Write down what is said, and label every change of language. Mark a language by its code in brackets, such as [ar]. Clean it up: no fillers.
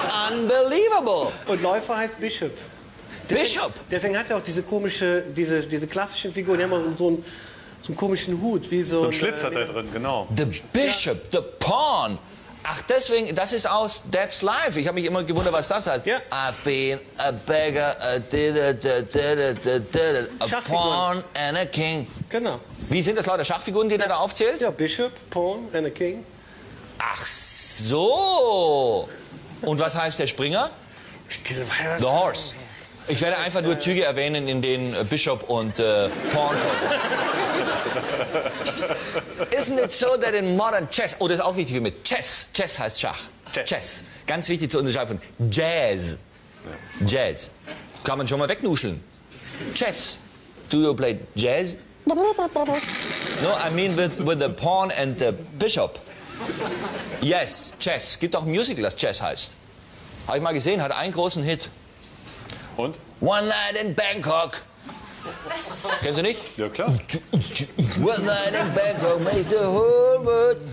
[en] Unbelievable. [de] Und Läufer heißt Bishop. [en] Bishop. [de] Deswegen hat er auch diese komische, diese klassischen Figuren. Die haben auch so einen komischen Hut. Wie so ein Schlitz hat er drin, genau. The Bishop, ja. The Pawn. Ach, deswegen, das ist aus That's Life. Ich habe mich immer gewundert, was das heißt. [en] Yeah. I've been a beggar, a pawn and a king. [de] Genau. Wie sind das lauter Schachfiguren, die der da aufzählt? [en] Ja, Bishop, Pawn and a King. [de] Ach so. Und was heißt der Springer? The Horse. Ich werde einfach nur Züge erwähnen, in denen Bishop und Pawn. [en] Isn't it so that in modern chess, [de] oh, das ist auch wichtig mit Chess. Chess heißt Schach. [en] Chess. [de] Ganz wichtig zu unterscheiden von Jazz. Ja. Jazz. Kann man schon mal wegnuscheln. Chess. [en] Do you play Jazz? No, I mean with the Pawn and the Bishop. [de] Yes, Chess. Gibt auch ein Musical, das Chess heißt. Habe ich mal gesehen, hat einen großen Hit. Und? One Night in Bangkok. Kennst du nicht? Ja, klar. [en] One Night in Bangkok makes the whole world.